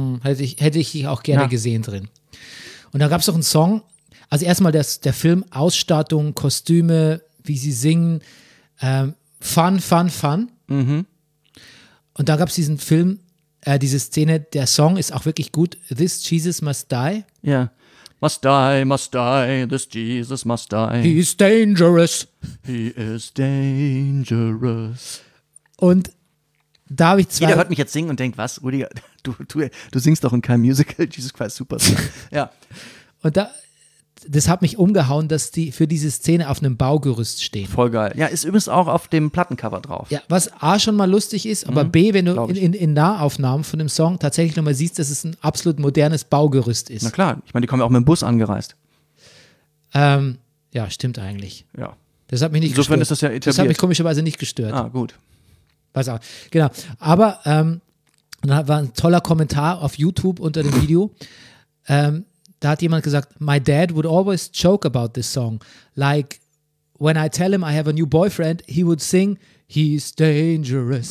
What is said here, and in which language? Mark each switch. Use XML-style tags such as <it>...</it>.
<de>Hätte ich auch gerne gesehen drin. Und da gab es auch einen Song, also erstmal der Film, Ausstattung, Kostüme, wie sie singen, Fun. Mhm. Und da gab es diesen Film, diese Szene, der Song ist auch wirklich gut.</de> <en>This Jesus Must Die. Ja. Yeah. Must die, this Jesus must die. He's dangerous. He is dangerous.</en> <de>Und da habe ich zwei. Jeder hört mich jetzt singen und denkt, was, Rudiger, du singst doch in keinem Musical, Jesus Christ Superstar. Ja. Und das hat mich umgehauen, dass die für diese Szene auf einem Baugerüst stehen. Voll geil. Ja, ist übrigens auch auf dem Plattencover drauf. Ja, was A schon mal lustig ist, aber B, wenn du in Nahaufnahmen von dem Song tatsächlich nochmal siehst, dass es ein absolut modernes Baugerüst ist. Na klar, ich meine, die kommen ja auch mit dem Bus angereist. Ja, stimmt eigentlich. Ja. Das hat mich nicht insofern Insofern ist das ja etabliert. Das hat mich komischerweise nicht gestört. Ah, gut. Weiß auch. Genau. Aber da war ein toller Kommentar auf YouTube unter dem Video. Da hat jemand gesagt,</de> <en>my dad would always joke about this song. Like, when I tell him I have a new boyfriend, he would sing, he's dangerous.</en>